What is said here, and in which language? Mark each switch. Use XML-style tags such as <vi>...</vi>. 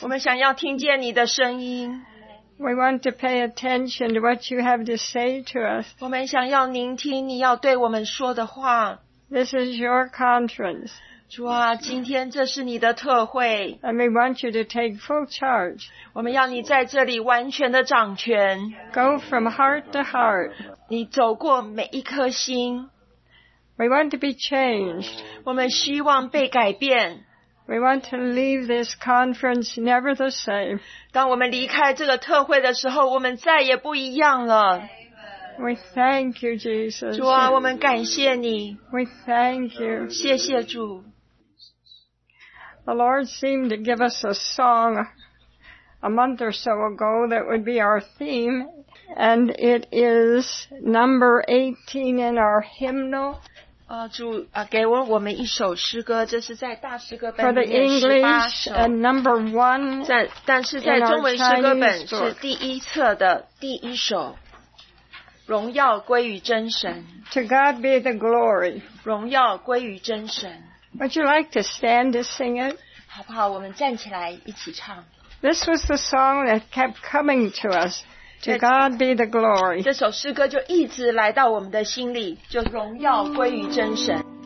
<zh>我们想要听见你的声音。</zh> <en>We want to pay attention to what you have to say to us.</en> <zh>我们想要聆听你要对我们说的话。</zh> <en>This is your conference.</en> <zh>主啊，今天这是你的特会。</zh> <en>And we want you to take full charge.</en> <zh>我们要你在这里完全的掌权。</zh> <en>Go from heart to heart.</en> <zh>你走过每一颗心。</zh> <en>We want to be changed.</en> <zh>我们希望被改变。</zh> <en>We want to leave this conference never the same.</en> <zh>当我们离开这个特会的时候，我们再也不一样了。</zh> <en>We thank you, Jesus.</en> <zh>主啊，我们感谢你。</zh> <en>We thank you.</en> <zh>谢谢主。</zh> <en>The Lord seemed to give us a song a month or so ago that would be our theme, and it is number 18 in our hymnal.</en> <zh>主给我们一首诗歌，这是在大诗歌本里面 18首。</zh> <en>For the English, and number one,</en> <zh>但是在中文诗歌本是第一册的第一首。荣耀归于真神。</zh> <en>To God be the glory.</en> <zh>荣耀归于真神。</zh> <en>Would you like to stand to sing it?</en> <zh>好不好，我们站起来一起唱。</zh> <en>This was the song that kept coming to us. To God be the glory.</en> <zh>这首诗歌就一直来到我们的心里，就荣耀归于真神。</zh>